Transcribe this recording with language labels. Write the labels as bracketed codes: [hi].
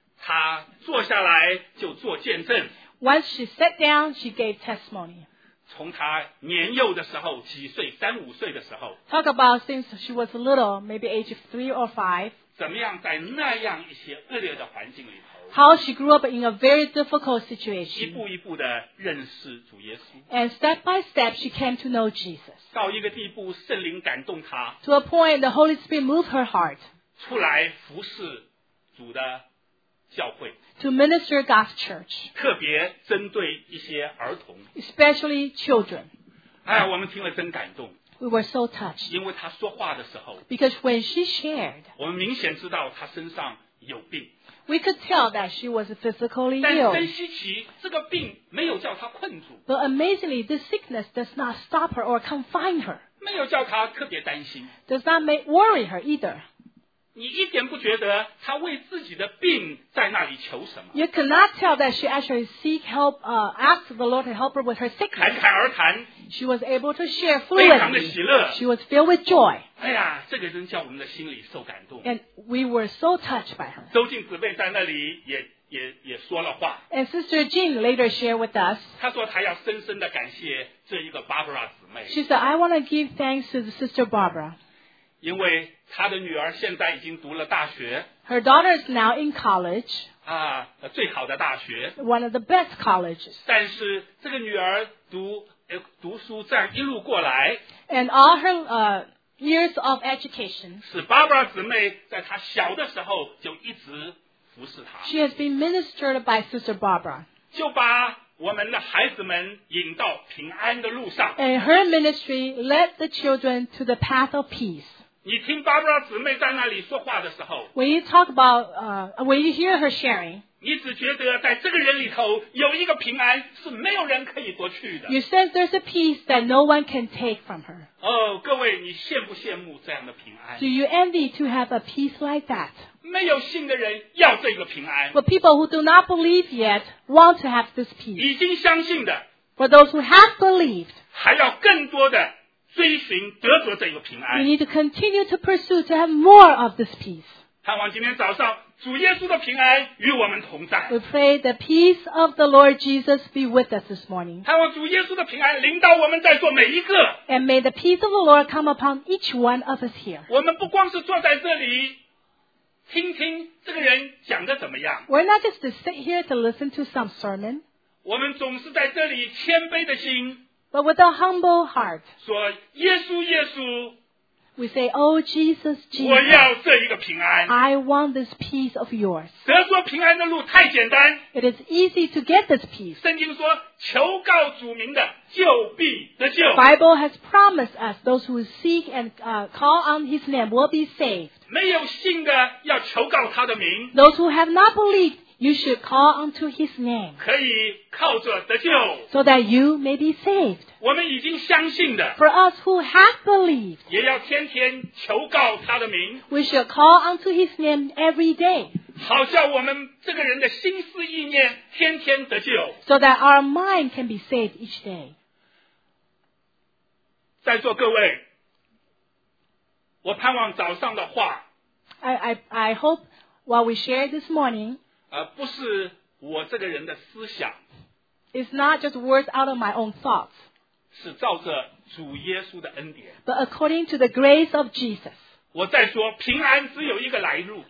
[zh] 他坐下来就做见证。 [en] Once she sat down, she gave testimony. [zh] 从他年幼的时候，几岁，三五岁的时候。 [en] Talk about since she was little, maybe age of three or five. [zh] 怎么样在那样一些恶劣的环境里头。 [en] How she grew up in a very difficult situation. [zh] 一步一步的认识主耶稣。 [en] And step by step, she came to know Jesus. [zh] 到一个地步，圣灵感动她。 [en] To a point, the Holy Spirit moved her heart. [zh] 出来服侍主的教会。 [en] To minister God's church. [zh] 特别针对一些儿童。 [en] Especially children. [zh] 哎呀，我们听了真感动。 [en] We were so touched. [zh] 因为她说话的时候。 [en] Because when she shared. [zh] 我们明显知道她身上有病。 [en] We could tell that she was physically ill. [zh] 但真稀奇，这个病没有叫她困住。 [en] But amazingly, this sickness does not stop her or confine her. [zh] 没有叫她特别担心。 [en] Does not make worry her either. [zh] 你一点不觉得他为自己的病在那里求什么 [en] ？You cannot tell that she actually seek help, asked the Lord to help her with her sickness. [zh] 侃侃而谈 [en] ，She was able to share fluently. [zh] 非常的喜乐 [en] ，She was filled with joy. [zh] 哎呀，这个真叫我们的心里受感动。 [en] And we were so touched by her. [zh] 周静姊妹在那里也说了话。 [en] And Sister Jean later shared with us. [zh] 她说她要深深的感谢这一个 Barbara 姊妹。 [en] She said, "I want to give thanks to the Sister Barbara." [zh] 因为她的女儿现在已经读了大学。 [en] Her daughter is now in college. [zh] 啊，最好的大学。 [en] One of the best colleges. [zh] 但是这个女儿读书这样一路过来。 [en] And all her years of education. [zh] 是 Barbara 姊妹在她小的时候就一直服侍她。 [en] She has been ministered by Sister Barbara. [zh] 就把我们的孩子们引到平安的路上。 [en] And her ministry led the children to the path of peace. [zh] 你听 Barbara 姊妹在那里说话的时候 [en] When you talk about, when you hear her sharing, [zh] 你只觉得在这个人里头有一个平安是没有人可以夺去的。 [en] You sense there's a peace that no one can take from her. [zh] 哦，各位，你羡不羡慕这样的平安？ [en] Do you envy to have a peace like that? [zh] 没有信的人要这个平安。 [en] But people who do not believe yet want to have this peace. [zh] 已经相信的。 [en] For those who have believed. [zh] 还要更多的追寻得着这个平安。 [en] We need to continue to pursue to have more of this peace. [zh] 盼望今天早上主耶稣的平安与我们同在。 [en] We pray the peace of the Lord Jesus be with us this morning. [zh] 盼望主耶稣的平安临到我们在座每一个。 [en] And may the peace of the Lord come upon each one of us here. [zh] 我们不光是坐在这里听听这个人讲的怎么样。 [en] We're not just to sit here to listen to some sermon. [zh] 我们总是在这里谦卑的心 [en] But with a humble heart. [zh] 说耶稣耶稣 [en] We say, oh, Jesus, Jesus, [zh] 我要这一个平安, [en] I want this peace of yours. [zh] 得着平安的路太简单, [en] it is easy to get this peace. [zh] 圣经说, 求告主名的, 就必得救, [en] the Bible has promised us those who seek and call on his name will be saved. [zh] 没有信的要求告他的名, [en] those who have not believed, you should call unto his name. [zh] 可以靠着得救, [en] so that you may be saved. [zh] 我们已经相信的, [en] for us who have believed, [zh] 也要天天求告他的名, [en] we should call unto his name every day. [zh] 好像我们这个人的心思意念天天得救, [en] so that our mind can be saved each day. [zh] 在座各位, 我盼望早上的话, [en] I hope what we share this morning, [zh] 不是我这个人的思想, [en] it's not just words out of my own thoughts, [zh] 是照着主耶稣的恩典, [en] but according to the grace of Jesus. [zh] 我再说平安只有一个来路,